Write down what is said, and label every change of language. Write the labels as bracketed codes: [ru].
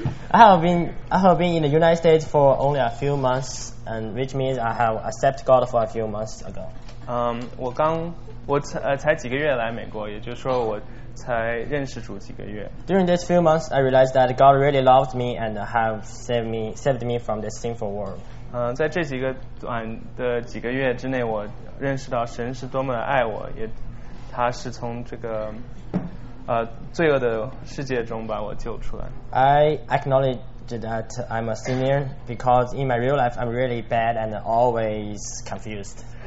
[en] I have been in the United States for only a few months, and which means I have accepted God for a few months ago. [zh] 我才几个月来美国，也就是说我才认识主几个月。 [en] During these few months, I realized that God really loved me and have saved me from this sinful world. [zh] 在这几个短的几个月之内，我认识到神是多么的爱我，也他是从这个罪恶的世界中把我救出来。 [en] I acknowledge that I'm a sinner because in my real life I'm really bad and always confused.